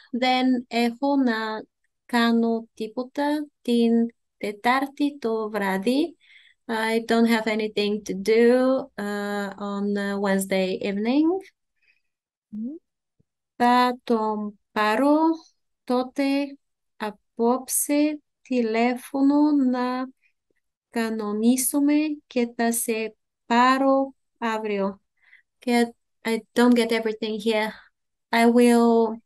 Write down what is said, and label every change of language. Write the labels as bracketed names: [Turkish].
[Greek] Δεν έχω να κάνω τίποτα την Τετάρτη το βράδυ. [English] I don't have anything to do on Wednesday evening. [Greek] Θα τον πάρω τότε απόψε τηλέφωνο να κανονίσουμε και θα σε πάρω αύριο. [English] I don't get everything here. I will...